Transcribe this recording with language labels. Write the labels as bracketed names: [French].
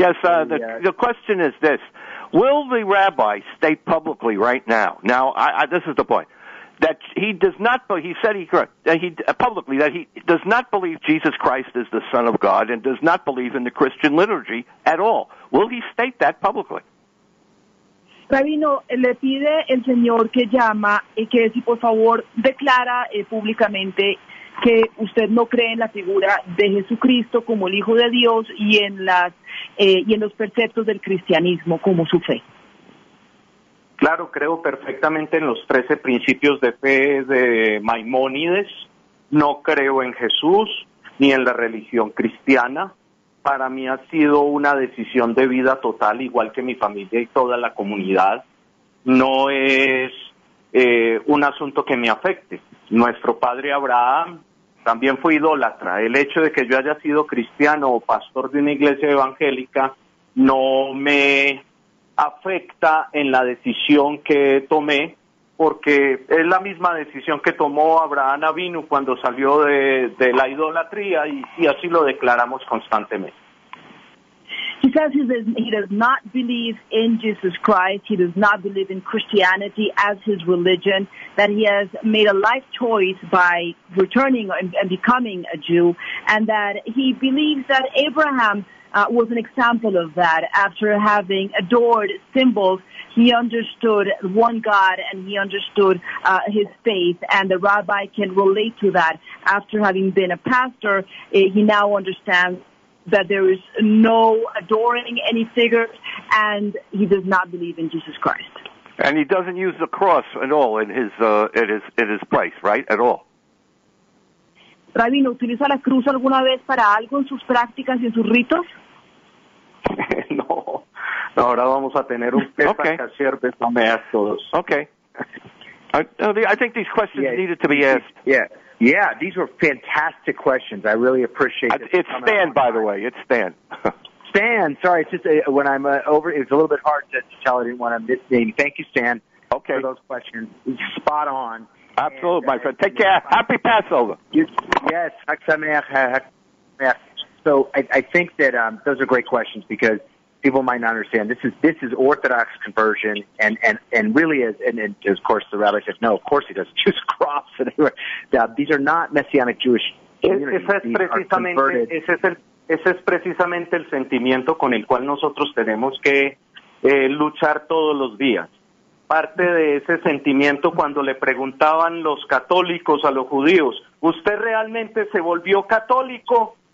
[English] Yes, the question is this. Will the rabbi state publicly right now? Now, I this is the point. That he does not, he said he correct, that he publicly that he does not believe Jesus Christ is the Son of God and does not believe in the Christian liturgy at all. Will he state that publicly? [Spanish] Rabino, le pide el señor que llama y que si por favor declara públicamente que usted no cree en la figura de Jesucristo como el Hijo de Dios y en las y en los preceptos del cristianismo como su fe. Claro, creo perfectamente en los 13 principios de fe de Maimónides. No creo en Jesús ni en la religión cristiana. Para mí ha sido una decisión de vida total, igual que mi familia y toda la comunidad. No es un asunto que me afecte. Nuestro padre Abraham también fue idólatra. El hecho de que yo haya sido cristiano o pastor de una iglesia evangélica no me afecta en la decisión que tomé, porque es la misma decisión que tomó Abraham Avinu cuando salió de la idolatría, y así lo declaramos constantemente. [English] He says he does not believe in Jesus Christ. He does not believe in Christianity as his religion, that he has made a life choice by returning and becoming a Jew, and that he believes that Abraham was an example of that. After having adored symbols, he understood one God and he understood his faith, and the rabbi can relate to that. After having been a pastor, he now understands that there is no adoring any figures, and he does not believe in Jesus Christ. And he doesn't use the cross at all in his place, right? At all. [Spanish] Rabino, ¿utiliza la cruz alguna vez para algo en sus prácticas y en sus ritos? No. Ahora vamos a tener un pesacacier de maestros. [English] Okay. I think these questions needed to be asked. Yeah, these were fantastic questions. I really appreciate it. It's Stan, by the way. It's Stan. Stan, sorry. It's just when I'm over, it's a little bit hard to tell. I didn't want to miss name. Thank you, Stan, okay, for those questions. Spot on. Absolutely, my friend. Take care. Happy Passover. Yes. So I think that those are great questions, because people might not understand. This is Orthodox conversion, and really is, and of course the rabbi says, no, of course he doesn't use a cross. These are not Messianic Jewish communities. [Spanish] Ese es precisamente el sentimiento con el cual nosotros tenemos que luchar todos los días. Parte de ese sentimiento cuando le preguntaban los católicos a los judíos, ¿usted realmente se volvió católico?